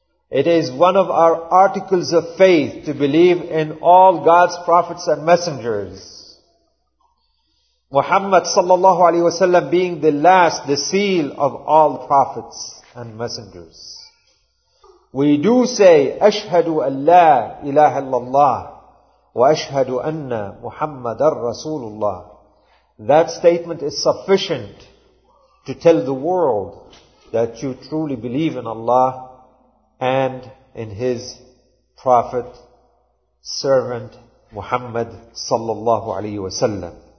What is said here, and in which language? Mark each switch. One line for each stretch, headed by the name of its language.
English: It is one of our articles of faith to believe in all God's prophets and messengers. Muhammad sallallahu alayhi wa sallam being the last, the seal of all prophets and messengers. We do say,
Arabic: أَشْهَدُ أَنْ لَا إِلَهَ إِلَّا اللَّهِ وَأَشْهَدُ أَنَّ مُحَمَّدًا رَسُولُ اللَّهِ.
English: That statement is sufficient to tell the world that you truly believe in Allah and in His prophet, servant Muhammad sallallahu alayhi wa sallam.